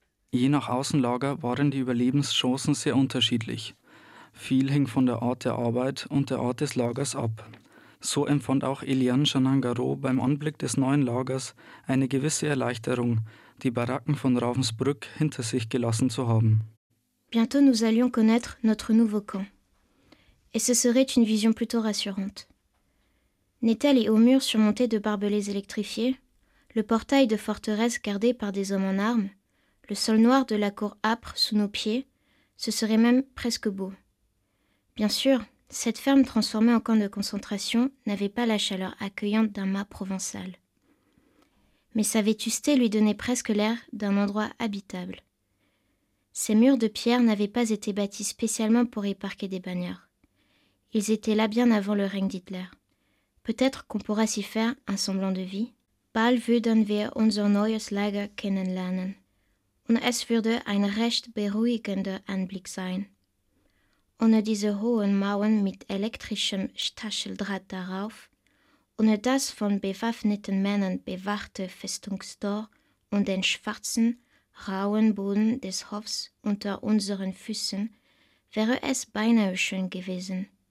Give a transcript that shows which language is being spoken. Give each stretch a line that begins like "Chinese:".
German: Je nach Außenlager waren die Überlebenschancen sehr unterschiedlich. Viel hing von der Art der Arbeit und der Art des Lagers ab. So empfand auch Iljan Janangaro beim Anblick des neuen Lagers eine gewisse Erleichterung, die Baracken von Ravensbrück hinter sich gelassen zu haben.
French: Bientôt nous allions connaître notre nouveau camp. Et ce serait une vision plutôt rassurante. Nételi et aux murs surmontés de barbelés électrifiés, le portail de forteresse gardé par des hommes en armes, le sol noir de la cour âpre sous nos pieds, ce serait même presque beau. Bien sûr, cette ferme transformée en camp de concentration n'avait pas la chaleur accueillante d'un mât provençal. Mais sa vétusté lui donnait presque l'air d'un endroit habitable. Ces murs de pierre n'avaient pas été bâtis spécialement pour y parquer des bagnards. Ils étaient là bien avant le règne d'Hitler. Peut-être qu'on pourra s'y faire un semblant de vie.
German: Bald würden wir unser neues Lager kennenlernen. Und es würde ein recht beruhigender Anblick sein. Ohne diese hohen Mauern mit elektrischem Stacheldraht darauf, ohne das von bewaffneten Männern bewachte Festungstor und den schwarzen, rauen Boden des Hofs unter unseren Füßen, wäre es beinahe schön gewesen.